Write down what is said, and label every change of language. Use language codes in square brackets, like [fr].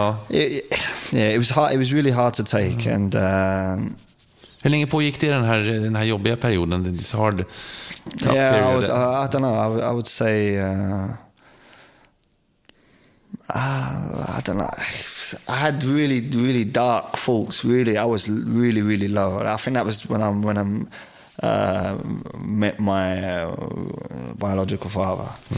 [en] It was hard, it was really hard to take. And [sv] hur länge pågick det den här jobbiga perioden? [en] This hard, tough period? I don't know. I would say I don't know. I had really, really dark thoughts. Really, I was really, really low. I think that was when I met my biological father.